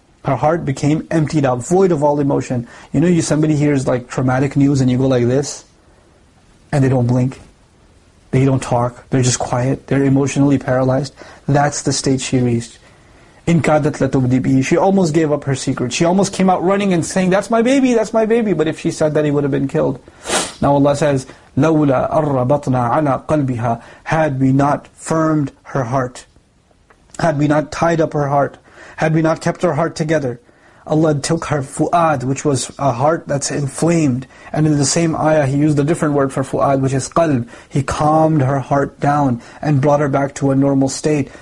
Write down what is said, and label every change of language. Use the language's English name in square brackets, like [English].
[English] Her heart became emptied out, void of all emotion. You know, somebody hears like traumatic news and you go like this, and they don't blink. They don't talk. They're just quiet. They're emotionally paralyzed. That's the state she reached. [Arabic] إِنْ كَادَتْ لَتُبْدِي بِهِ. [English] She almost gave up her secret. She almost came out running and saying, that's my baby, that's my baby. But if she said that, he would have been killed. Now Allah says, [Arabic] لَوْلَا أَرَّبَطْنَا عَلَىٰ قَلْبِهَا. [English] Had we not firmed her heart, had we not tied up her heart, had we not kept her heart together, Allah took her fu'ad, which was a heart that's inflamed. And in the same ayah, he used a different word for fu'ad, which is qalb. He calmed her heart down and brought her back to a normal state.